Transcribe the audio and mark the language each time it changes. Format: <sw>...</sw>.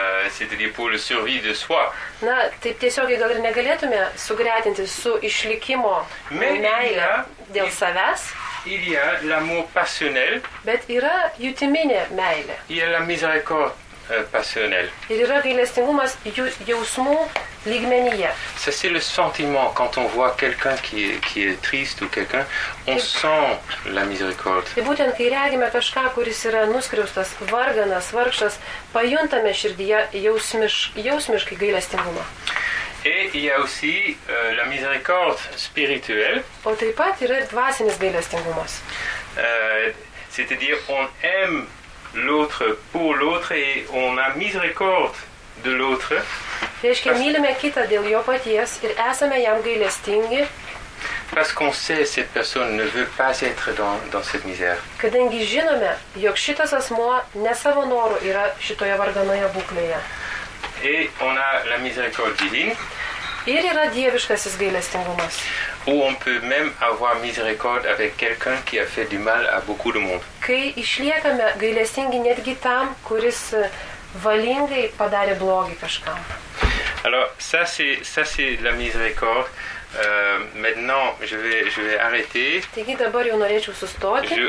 <fr>c'est-à-dire pour le survie de soi.</fr> <lt>Na, taip tiesiogiai gal ir negalėtume sugretinti su išlikimo meilė dėl savęs.</lt> <fr>Il y a l'amour passionnel.</fr> <lt>Bet yra jutiminė meilė.</lt> <fr>Il y a la miséricorde passionnelle.</fr> <lt>Ir yra gailestingumas jausmų lygmenyje.</lt> <fr>Ça, c'est le sentiment quand on voit quelqu'un qui est triste ou quelqu'un, on sent la miséricorde.</fr> <lt>Tai būtent, kai regime kažką, kuris yra nuskriaustas, varganas, vargšas, pajuntame širdyje jausmiškai gailestingumą.</lt> <fr>Et il y a aussi la miséricorde spirituelle.</fr> <lt>O taip pat yra ir dvasinis gailestingumas.</lt> <fr>C'est-à-dire, on aime l'autre pour l'autre et on a miséricorde de l'autre.</fr> <lt>Reiškia, mylime kitą dėl jo paties ir esame jam gailestingi.</lt> <fr>Parce qu'on sait cette personne ne veut pas être dans cette misère.</fr> <lt>Kadangi žinome, jog šitas asmuo ne savo noru yra šitoje varganoje būklėje.</lt> <fr>Et on a la miséricorde divine.</fr> <lt>Ir yra dieviškasis gailestingumas.</lt> <fr>Ou on peut même avoir miséricorde avec quelqu'un qui a fait du mal à beaucoup de monde.</fr> <lt>Kai išliekame gailestingi netgi tam, kuris valingai padarė blogį kažkam.</lt> <fr>Alors, ça c'est la miséricorde. Maintenant, je vais arrêter.</fr> <lt>Taigi, dabar jau norėčiau sustoti.</lt>